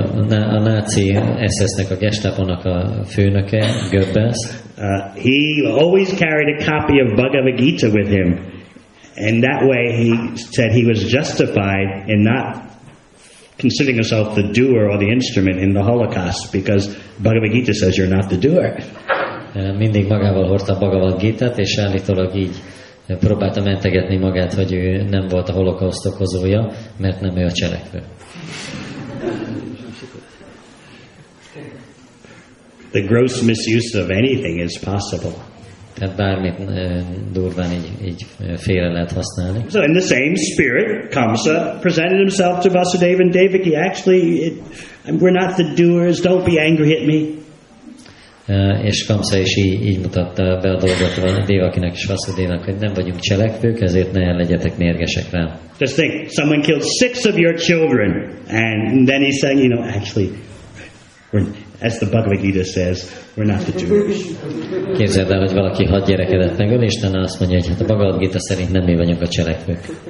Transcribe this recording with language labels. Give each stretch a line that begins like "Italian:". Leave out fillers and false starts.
Hungarian: A Nazi SS-nek, a Gestaponak a főnöke, Goebbels.
English: He always carried a copy of Bhagavad Gita with him. And that way he said he was justified in not considering himself the doer or the instrument in the Holocaust because Bhagavad Gita says you're not the doer.
Hungarian: Mindig magával hordta a Bhagavad Gita-t, és állítólag így próbálta mentegetni magát, hogy ő nem volt a holokauszt okozója, mert nem ő a cselekvő.
English: The gross misuse of anything is possible.
Hungarian: Tehát bármit durván így félre lehet használni.
English: So in the same spirit, Kamsa presented himself to Vasudeva and Devaki. Actually, we're not the doers, don't be angry at me.
Hungarian: És Kamsa is így mutatta be a dolgot a Devakinek és Vasudevnak, hogy nem vagyunk cselekvők, ezért ne legyetek mérgesek rám.
English: Just think, someone killed six of your children, and then he's saying, you know, actually, as the Bhagavad Gita says, we're not the doers.
Hungarian: Képzeld el, hogy valaki hat gyerekedet megöl, és Isten azt mondja, hogy hát a Bhagavad Gita szerint nem mi vagyunk a cselekvők.